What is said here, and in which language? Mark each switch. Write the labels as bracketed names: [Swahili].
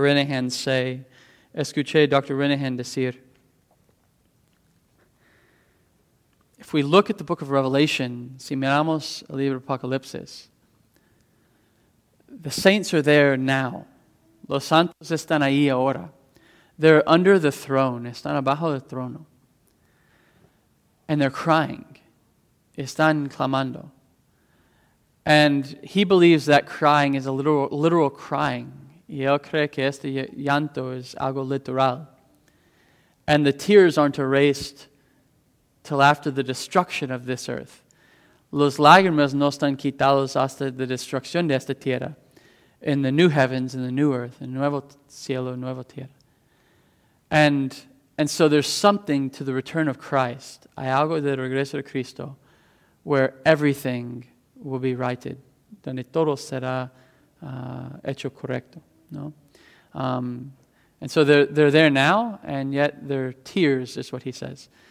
[English] Renahan say, [Spanish] escuché Dr. Renahan decir, [English] if we look at the book of Revelation, [Spanish] si miramos el libro de Apocalipsis, [English] the saints are there now. [Spanish] Los santos están ahí ahora. [English] They're under the throne. [Spanish] Están abajo del trono. [English] And they're crying. [Spanish] Están clamando. [English] And he believes that crying is a literal crying. [Spanish] Y él cree que este llanto es algo literal. [English] And the tears aren't erased till after the destruction of this earth. [Spanish] Los lágrimas no están quitados hasta la destrucción de esta tierra. [English] In the new heavens, in the new earth, in [Spanish] nuevo cielo, nueva tierra. [English] And so there's something to the return of Christ. [Spanish] Hay algo del regreso de Cristo [English] where everything will be righted. [Spanish] Donde todo será hecho correcto. No? [English] And so they're there now, and yet their tears is what he says.